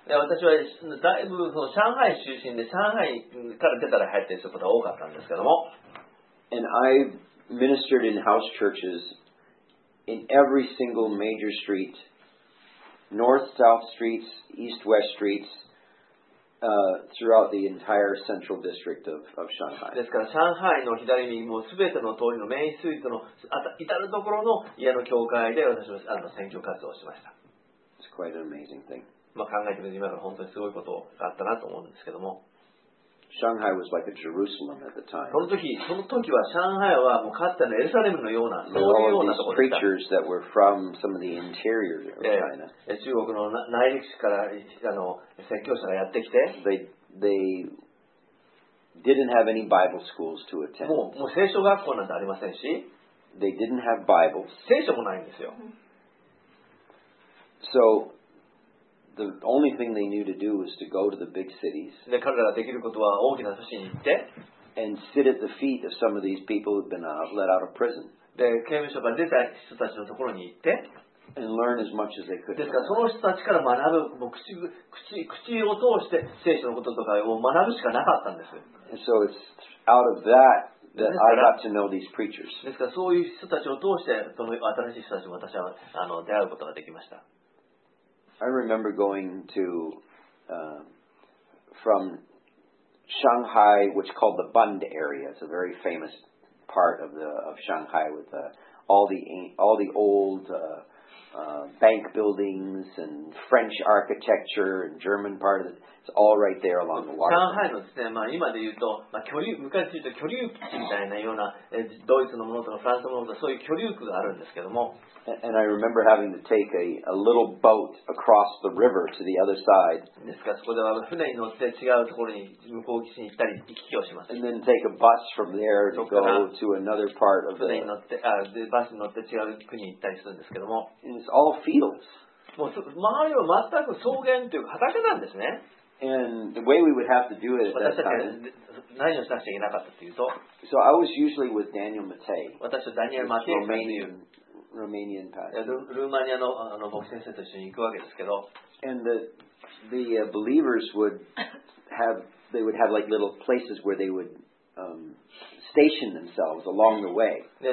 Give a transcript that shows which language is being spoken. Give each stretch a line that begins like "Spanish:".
Japanese: 私はだいぶその上海出身で、上海から出たら入っていることが多かったんですけども。
English: And I ministered in house churches in every single major street, north, south streets, east, west streets,throughout the entire central district of Shanghai.
Japanese: ですから上海の左にもうすべての通りのメインストリートの至る所の家の教会で私は選挙活動をしました。
English: It's quite an amazing thing.
Japanese: まあ考えてみれば本当にすごいことがあったなと思うんですけども。
English: Shanghai was like a Jerusalem at the time.
Japanese: その時は上海はもうかつてのエルサレムのようなそういうようなところでした。
English: Preachers that were from some of the interior of China.
Japanese: 中国の内陸市から説教者がやってきて、
English: they didn't have any Bible schools to attend.
Japanese: もう聖書学校なんてありませんし、
English: they didn't have Bibles.
Japanese: 聖書もないんですよ。
English: So. The only thing they knew to do was to go to the big cities.
Japanese: で、彼らができることは大きな都市に行って、
English: and sit at the feet of some of these people who've been let out of prison.
Japanese: で、刑務所から出た人たちのところに行って、
English: and learn as much as they could.
Japanese: ですから、その人たちから学ぶ、もう口を通して聖書のこととかを学ぶしかなかったんです。
English: And so it's out of that that I got to know these preachers.
Japanese: ですから、そういう人たちを通して、その新しい人たちも私は出会うことができました。
English: I remember going to from Shanghai, which is called the Bund area. It's a very famous part of Shanghai with all the old bank buildings and French architecture and German part of it. It's all right there along the water.
Japanese: 上海のですね、まあ今で言うと、まあ居留、昔で言うと居留区みたいなような、ドイツのものとかフランスのものとかそういう居留区があるんですけども。
English: And I remember having to take a little boat across the river to the other side.
Japanese: ですからそこでは船に乗って違うところに向こう岸に行ったり行き来をします。
English: And then take a bus from there to go to another part of the.
Japanese: 船に乗って、バスに乗って違う国に行ったりするんですけども。
English: And it's all fields.
Japanese: もう周りは全く草原というか畑なんですね。
English: And the way we would have to do it at that time.
Japanese: 私たちは何をしなくちゃいけなかったというと。
English: So I was usually with Daniel Matei.
Japanese: 私はダニエル・マテイ。
English: Romanian. Romanian pastor.
Japanese: ルーマニアの牧師先生と一緒に行くわけですけど。
English: And the believers would have they would have like little places where they would station themselves along the way.